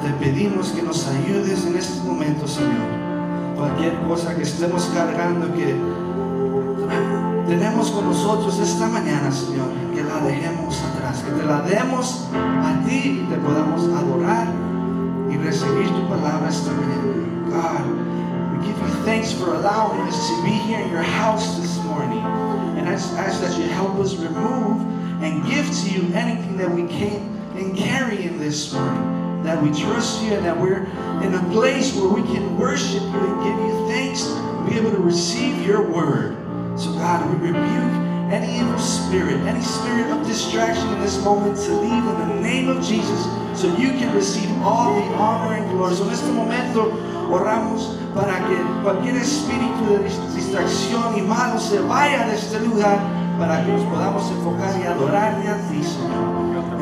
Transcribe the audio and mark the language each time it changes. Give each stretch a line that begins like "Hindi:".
Spanish: Te pedimos que nos ayudes en este momento, Señor. Cualquier cosa que estemos cargando, que tenemos con nosotros esta mañana, Señor, que la dejemos atrás, que te la demos a ti y te podamos adorar y recibir tu palabra esta mañana.
English: God, we give you thanks for allowing us to be here in your house this morning. And I ask that you help us remove and give to you anything that we can't and carry in this morning, that we trust you and that we're in a place where we can worship you and give you thanks, be able to receive your word. So God, we rebuke any evil spirit, any spirit of distraction in this moment to leave in the name of Jesus, so you can receive all the honor and glory. So in
Spanish: este momento, oramos para que cualquier espíritu de distracción y malo se vaya de este lugar, para que nos podamos enfocar y adorarle a ti, Señor.